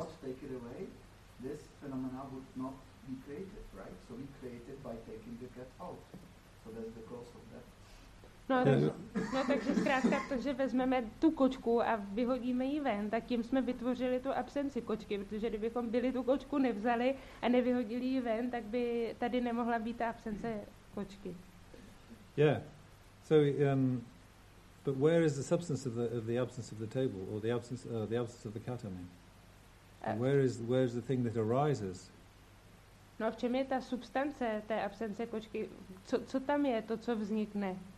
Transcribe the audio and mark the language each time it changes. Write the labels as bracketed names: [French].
[English] not take it away, this phenomena would not be created, right? So we created by taking the cat out. So that's the cause of that. [Czech] No, no takže zkrátka to, že vezmeme tu kočku a vyhodíme ji ven, tak tím jsme vytvořili tu absenci kočky, protože kdybychom byli tu kočku nevzali a nevyhodili ji ven, tak by tady nemohla být ta absence kočky. [English] Yeah. So but where is the substance of the absence of the table or the absence of the cat, I mean? Where is the thing that arises? [Czech] No, a v čem je ta substance té absence kočky? Co tam je to, co vznikne?